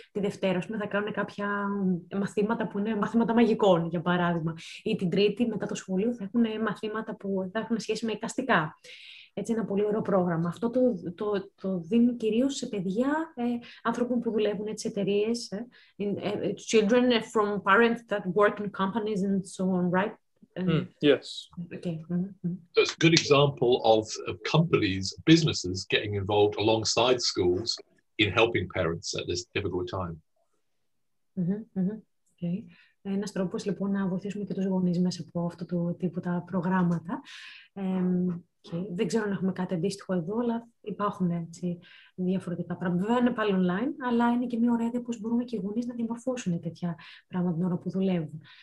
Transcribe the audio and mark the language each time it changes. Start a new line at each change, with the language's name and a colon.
Greek: Τη Δευτέρα, ας πούμε, θα κάνουν κάποια μαθήματα που είναι μαθήματα μαγικών, για παράδειγμα. Ή την Τρίτη, μετά το σχολείο, θα έχουν μαθήματα που θα έχουν σχέση με εικαστικά. Έτσι, ένα πολύ ωραίο πρόγραμμα. Αυτό το δίνει κυρίως σε παιδιά, άνθρωπων που δουλεύουν σε εταιρείες.
English: Children from parents that work in companies and so on, right? Yes. Okay. Mm-hmm. So it's a good example of companies, businesses getting involved alongside schools in helping parents at this difficult time. Mm-hmm. Okay.
Greek: Ένας τρόπος, λοιπόν, να βοηθήσουμε και τους γονείς μέσα από αυτό το τύπο τα προγράμματα. Okay. Δεν ξέρω αν έχουμε κάτι αντίστοιχο εδώ, αλλά υπάρχουν έτσι διαφορετικά πράγματα. Βέβαια είναι πάλι online, αλλά είναι και μια ωραία ιδέα πώς μπορούμε και οι γονείς να διαμορφώσουν τέτοια πράγματα την ώρα που δουλεύουν.